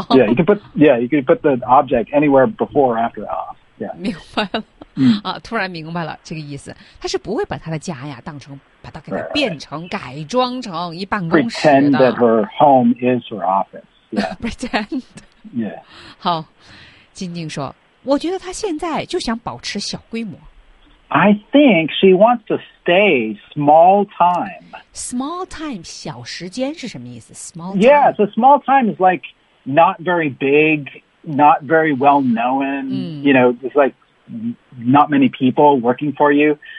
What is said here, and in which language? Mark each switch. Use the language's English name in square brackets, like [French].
[English] Yeah, you can put the object anywhere before or after off. Yeah. [Chinese] 明白了、 mm. 啊！突然明白了这个意思，他是不会把他的家呀当成把它给它变成、 [English] right. [Chinese] 改装成一办公室的。 [English] Pretend that her home is her office. Yeah. Pretend. Yeah. [Chinese] 好，静静说。我觉得他现在就想保持小规模。 [English] I think she wants to stay small time. Small time, [Chinese] 小时间是什么意思 [English] ？Small time. Yeah, so small time is like not very big, not very well known.、 [Chinese] 嗯、 [English] you know, it's like not many people working for you.